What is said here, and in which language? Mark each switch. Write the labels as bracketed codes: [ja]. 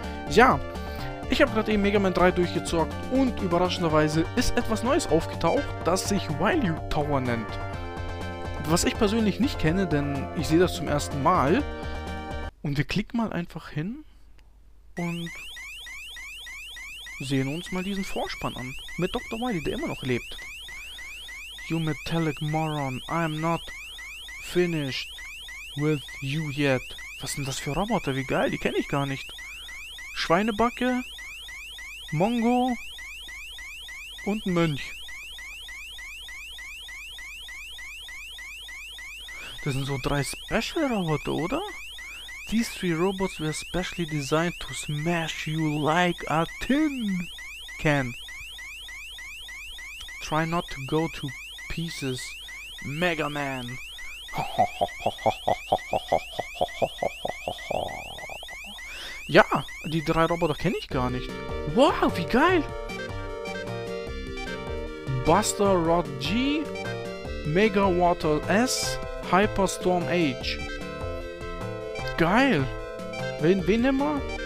[de] Ja, ich habe gerade eben Mega Man 3 durchgezockt und überraschenderweise ist etwas Neues aufgetaucht, das sich Wily Tower nennt. Was ich persönlich nicht kenne, denn ich sehe das zum ersten Mal. Und wir klicken mal einfach hin und sehen uns mal diesen Vorspann an. Mit Dr. Wily, der immer noch lebt. [en] You metallic moron, I'm not finished with you yet. [de] Was sind das für Roboter? Wie geil, die kenne ich gar nicht. Schweinebacke, Mongo und ein Mönch. Das sind so drei Special Roboter, oder? [en] These three robots were specially designed to smash you like a tin can. Try not to go to pieces, Mega Man. [de] Ja, die drei Roboter kenne ich gar nicht. Wow, wie geil! Buster Rod G, Mega Water S, Hyper Storm H. Geil! Wen nehmen wir?